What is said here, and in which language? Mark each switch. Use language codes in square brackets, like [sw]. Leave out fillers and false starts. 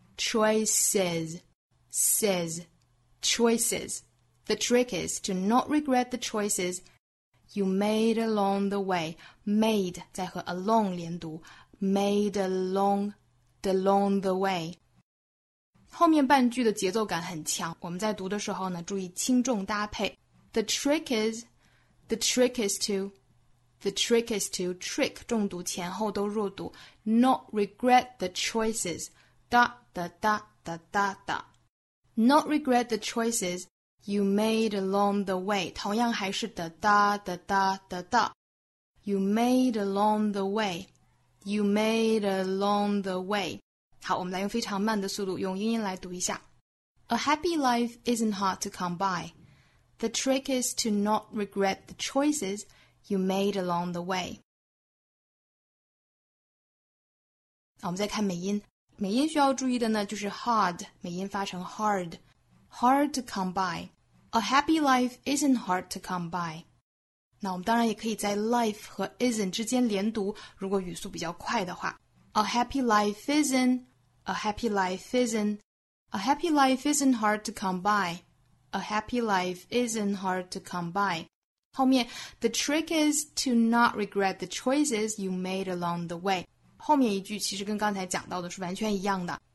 [en] Choices, says, choices. The trick is to not regret the choices you made along the way. Made [zh] 再和 [en] along [zh] 连读， [en] made along the way. [zh] 后面半句的节奏感很强，我们在读的时候呢，注意轻重搭配。 [en] The trick is. The trick is to, the trick is to, trick [zh] 重读前后都弱读 [en] not regret the choices, da da da da da da, not regret the choices you made along the way, 同样还是 da da da da da da, you made along the way, you made along the way. [zh] 好，我们来用非常慢的速度用英音来读一下。 [en] A happy life isn't hard to come by. The trick is to not regret the choices you made along the way. [zh] 我们再看美音，美音需要注意的呢，就是 hard, 美音发成 hard, [en] hard to come by. A happy life isn't hard to come by. [zh] 那我们当然也可以在 life 和 isn't 之间连读，如果语速比较快的话。 [en] A happy life isn't, a happy life isn't, a happy life isn't hard to come by. A happy life isn't hard to come by. 后面 the trick is to not regret the choices you made along the way. [zh] 后面一句其实跟刚才讲到的是完全一样的。